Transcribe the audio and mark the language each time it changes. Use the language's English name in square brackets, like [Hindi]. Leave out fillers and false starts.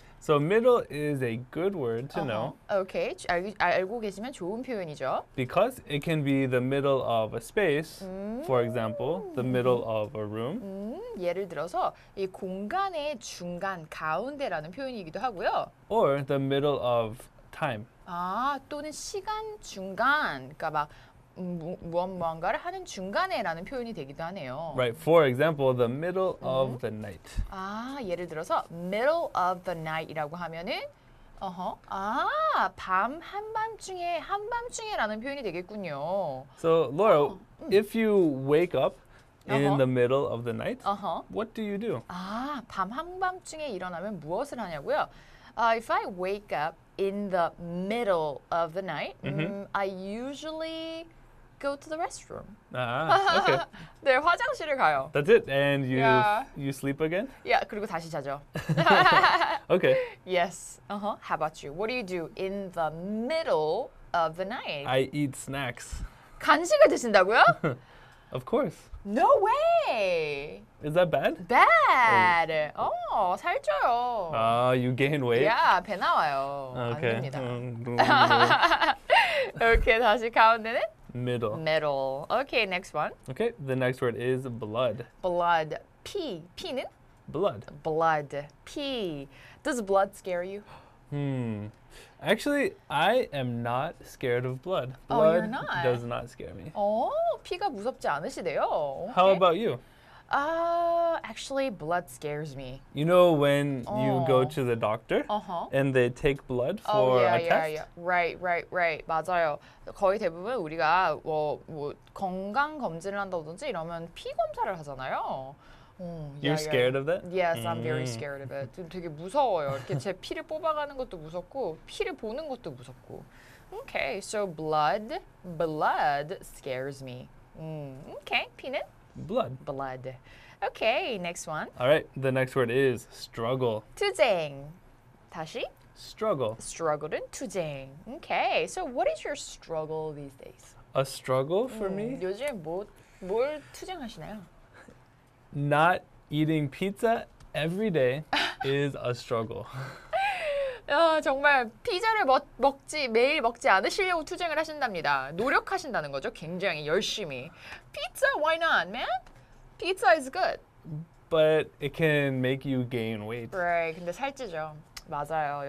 [English] So middle is a good word to know. Okay. [Korean] 알고 계시면 좋은 표현이죠. [English] Because it can be the middle of a space, for example, the middle of a room. [Korean] 예를 들어서 이 공간의 중간, 가운데라는 표현이기도 하고요. [English] Or the middle of time. [Korean] 아, 또는 시간 중간, 그러니까 막 무언가를 하는 중간에라는 표현이 되기도 하네요. [English] Right. For example, the middle of the night. [Korean] 아, 예를 들어서 [English] middle of the night [Korean] 이라고 하면은 아, 밤 한밤중에 한밤중에라는 표현이 되겠군요. [English] So, Laura, if you wake up in the middle of the night, what do you do? [Korean] 아, 밤 한밤중에 일어나면 무엇을 하냐고요? [English] If I wake up in the middle of the night, I usually go to the restroom. Ah, okay. [Korean] 네, 화장실을 가요. [English] That's it. And you you sleep again? Yeah, [Korean] 그리고 다시 자죠. [English] Okay. Yes. How about you? What do you do in the middle of the night? I eat snacks. [Korean] 간식을 드신다고요? [English] Of course. No way. Is that bad? [Korean] Bad. Oh, 살쪄요. [English] Ah, you gain weight? [Korean] Yeah, 배 나와요. [English] Okay. [Korean] 아닙니다. [English] Okay, [Korean] 다시 가운데는? [English] Middle. Middle. Okay, next one. Okay, the next word is blood. Blood. Pee. Pee는? Blood. Blood. Pee. Does blood scare you? Actually, I am not scared of blood. Blood oh, you're not. Does not scare me. [Korean] Oh, 피가 무섭지 않으시대요. [English] Okay. How about you? Actually, blood scares me. You know when you go to the doctor and they take blood for a test? Yeah. Right. [Korean] 맞아요. 거의 대부분 우리가 뭐 건강 검진을 한다든지 이러면 피 검사를 하잖아요. [English] You're scared of that? Yes, I'm very scared of it. [Korean] 되게 무서워요. 이렇게 제 피를 뽑아가는 것도 무섭고 피를 보는 것도 무섭고. [English] Okay, so blood scares me. Okay, [Korean] 피는? [English] Blood. Okay, next one. All right, the next word is struggle. [Korean] 투쟁. 다시? [English] Struggle. [Korean] Struggle는 투쟁. [English] Okay, so what is your struggle these days? A struggle for me? [Korean] 요즘 뭘 투쟁하시나요? [English] Not eating pizza every day is a struggle. [Korean] 정말 피자를 매일 먹지 않으시려고 투쟁을 하신답니다. 노력하신다는 거죠. 굉장히 열심히. [English] Pizza, why not, man? Pizza is good. But it can make you gain weight. Right, [Korean] 근데 살찌죠. 맞아요.